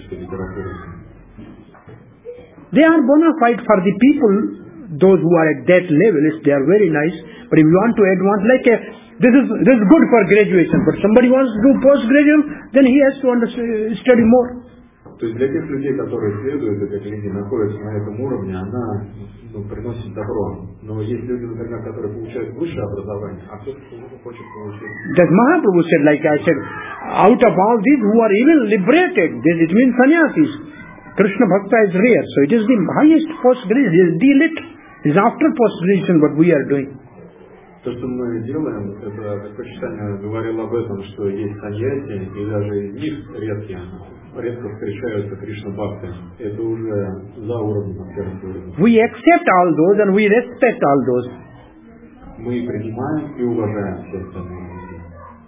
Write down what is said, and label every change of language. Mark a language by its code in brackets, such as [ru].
[en] They are bona fide for the people, those who are at that level, they are very nice. But if you want to advance, like this is good for graduation, but somebody wants to do postgraduate, then he has to study more. [ru] То есть для тех людей, которые следуют, эти люди находятся на этом уровне, она приносит добро. Но есть люди, например, которые получают высшее образование, а кто-то хочет получить. [en] That Mahaprabhu said, like I said, out of all these who are even liberated, this it means sannyasis. Krishna Bhakta is rare, so it is the highest postgraduate, it is the elite, it is after postgraduation what we are doing. [ru] То, что мы делаем, это как почитание говорил об этом, что есть саньяси, и даже из них редкие. [en] We accept all those and we respect all those. [ru] Мы принимаем и уважаем все